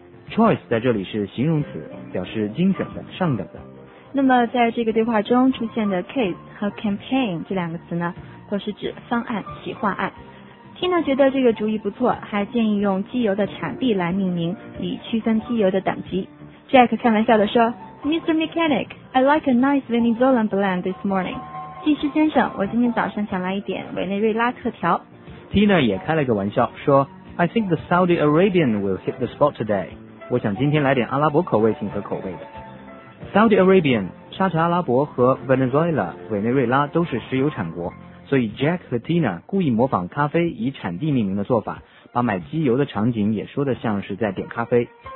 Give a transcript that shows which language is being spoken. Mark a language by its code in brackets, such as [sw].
[zh] Choice 在这里是形容词，表示精选的、上等的。那么在这个对话中出现的 case 和 campaign 这两个词呢，都是指方案、企划案。 Tina 觉得这个主意不错，还建议用机油的产地来命名，以区分机油的等级。 Jack 开玩笑地说， Mr. [en] Mechanic, I like a nice Venezuelan blend this morning. [zh] 技师先生，我今天早上想来一点委内瑞拉特调。 [en] Tina [zh] 也开了一个玩笑说， [en] I think the Saudi Arabian will hit the spot today. [zh] 我想今天来点阿拉伯口味型和口味的。 Saudi Arabian 沙特阿拉伯和 Venezuela 委内瑞拉都是石油产国，所以 Jack 和 Tina 故意模仿咖啡以产地命名的做法，把买机油的场景也说得像是在点咖啡。